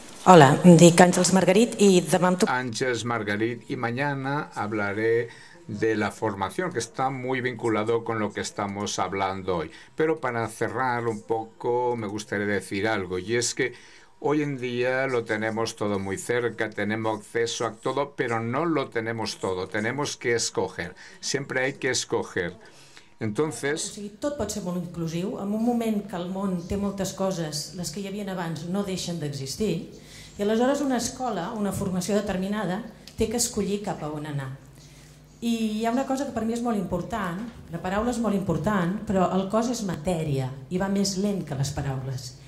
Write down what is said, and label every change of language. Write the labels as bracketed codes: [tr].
[ca] Hola, dic Àngels Margarit i demà amb tu... [es] Àngels Margarit, i mañana hablaré de la formación, que está muy vinculado con lo que estamos hablando hoy. Pero para cerrar un poco, me gustaría decir algo, y es que hoy en día lo tenemos todo muy cerca, tenemos acceso a todo, pero no lo tenemos todo, tenemos que escoger, siempre hay que escoger. Entonces, [ca] o sigui, tot pot ser molt inclusiu, en un moment que el món té moltes coses, les que hi havia abans no deixen d'existir, i aleshores una escola, una formació determinada, té que escollir cap a on anar. I hi ha una cosa que per mi és molt important, la paraula és molt important, però el cos és matèria i va més lent que les paraules.